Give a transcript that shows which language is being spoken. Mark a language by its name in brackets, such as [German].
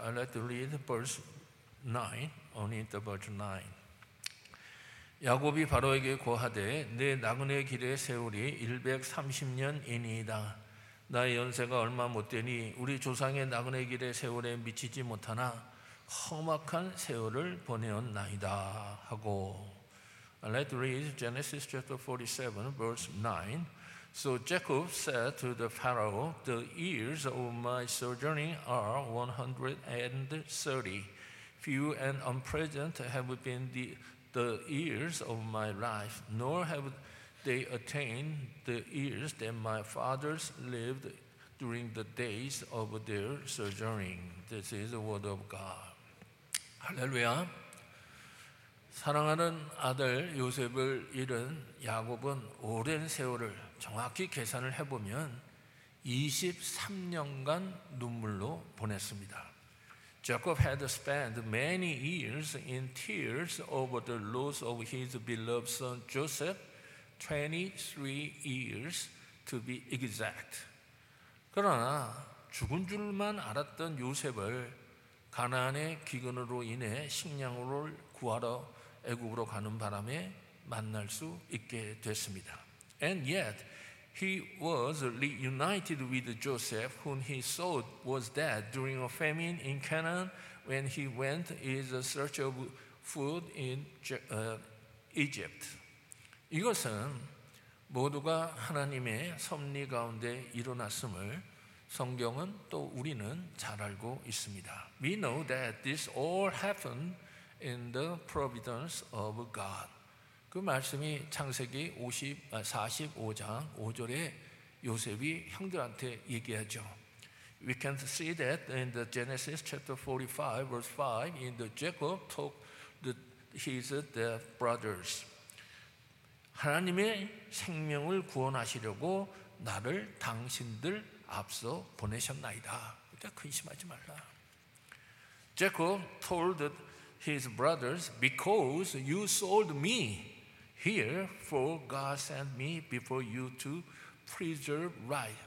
[English] I'd like to read verse 9, only the verse 9. [Korean] 야곱이 바로에게 고하되 내 나그네 길의 세월이 130년이니이다. 나의 연세가 얼마 못되니 우리 조상의 나그네 길의 세월에 미치지 못하나 험악한 세월을 보내었나이다 하고. [English] Let's read Genesis chapter 47 verse 9. So Jacob said to the Pharaoh, The years of my sojourning are 130. Few and unpleasant have been the years of my life, nor have they attained the years that my fathers lived during the days of their sojourning. This is the word of God. [Korean] 할렐루야. 사랑하는 아들 요셉을 잃은 야곱은 오랜 세월을 정확히 계산을 해보면 23년간 눈물로 보냈습니다. [English] Jacob had spent many years in tears over the loss of his beloved son Joseph, 23 years to be exact. [Korean] 그러나 죽은 줄만 알았던 요셉을 가나안의 기근으로 인해 식량으로 구하러 애굽으로 가는 바람에 만날 수 있게 됐습니다. [English] And yet he was reunited with Joseph, whom he thought was dead during a famine in Canaan when he went in search of food in Egypt. [Korean] 이것은 모두가 하나님의 섭리 가운데 일어났음을 성경은 또 우리는 잘 알고 있습니다. [English] We know that this all happened in the providence of God. [Korean] 그 말씀이 창세기 45장 5절에 요셉이 형들한테 얘기하죠. [English] We can see that in the Genesis chapter 45 verse 5 in the Jacob took his brothers. [Korean] 하나님의 생명을 구원하시려고 나를 당신들 앞서 보내셨나이다. 그러니까 근심하지 말라. [English] Jacob told his brothers, Because you sold me here, for God sent me before you to preserve right.